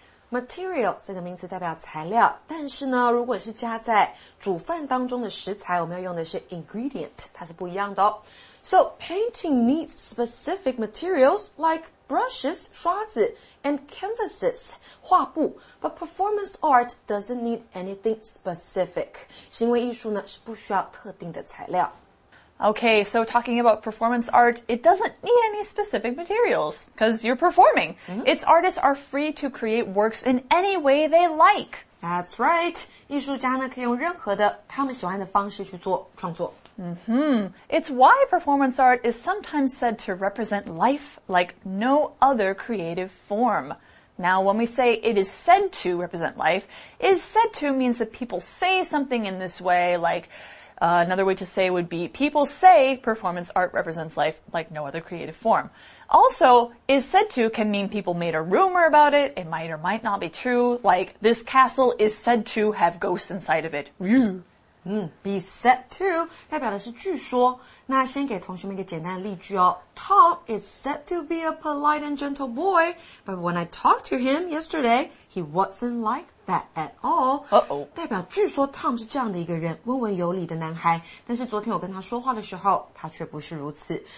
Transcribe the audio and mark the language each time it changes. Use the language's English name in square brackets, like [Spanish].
[Chinese] Material, 这个名词代表材料。但是呢如果是加在煮饭当中的食材我们要用的是 ingredient, 它是不一样的哦。 [English] So, painting needs specific materials like brushes, 刷子, and canvases, 画布, but performance art doesn't need anything specific. [Chinese] 行为艺术呢是不需要特定的材料。 [English] Okay, so talking about performance art, it doesn't need any specific materials, because you're performing. Mm-hmm. Its artists are free to create works in any way they like. That's right. [Chinese] 艺术家呢可以用任何的他们喜欢的方式去做创作。 [English] Mm-hmm. It's why performance art is sometimes said to represent life like no other creative form. Now, when we say it is said to represent life, is said to means that people say something in this way, like, another way to say would be people say performance art represents life like no other creative form. Also, is said to can mean people made a rumor about it. It might or might not be true. Like, this castle is said to have ghosts inside of it. [Chinese] Be said to 代表的是据说。那先给同学们一个简单的例句哦。 [English] Tom is said to be a polite and gentle boy, but when I talked to him yesterday, he wasn't like that at all. Uh-oh. [Chinese] 代表据说 Tom 是这样的一个人，温文有礼的男孩。但是昨天我跟他说话的时候，他却不是如此。